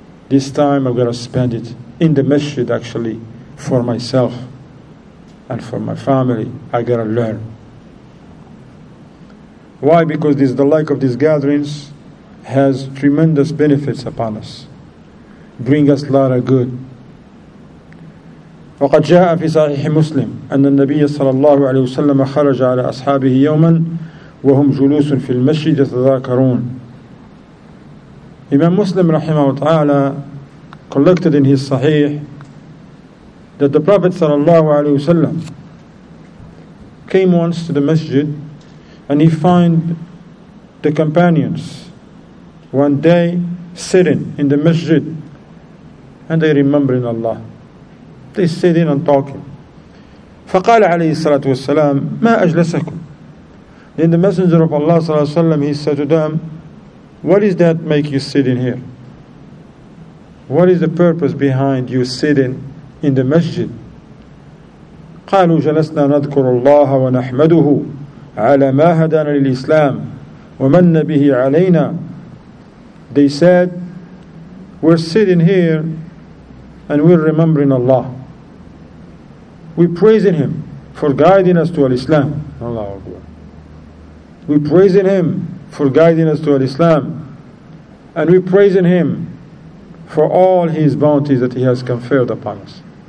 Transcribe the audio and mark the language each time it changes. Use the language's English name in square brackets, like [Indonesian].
[English] This time I'm going to spend it in the masjid actually for myself and for my family. I got to learn. Why? Because this, the like of these gatherings has tremendous benefits upon us. Bring us a lot of good. [Arabic] وقد جاء في صحيح مسلم أن النبي صلى الله عليه وسلم خرج على أصحابه يوما وهم جلوس في المسجد يتذاكرون. [English] Imam Muslim رحمه وتعالى collected in his Sahih that the Prophet صلى الله عليه وسلم came once to the masjid and he found the companions one day sitting in the masjid and they remembering Allah. They sitting and talking. [Arabic] فقال عليه الصلاة والسلام ما أجلسكم. [English] Then the Messenger of Allah صلى الله عليه وسلم, he said to them, what is that make you sitting here? What is the purpose behind you sitting in the masjid? [Arabic] قالوا جلسنا نذكر الله ونحمده على ما هدانا للإسلام ومن به علينا. [English] They said, we're sitting here and we're remembering Allah. We're praising Him for guiding us to Al-Islam. Allah Akbar. We're praising Him for guiding us to Al-Islam. And we're praising Him for all His bounties that He has conferred upon us.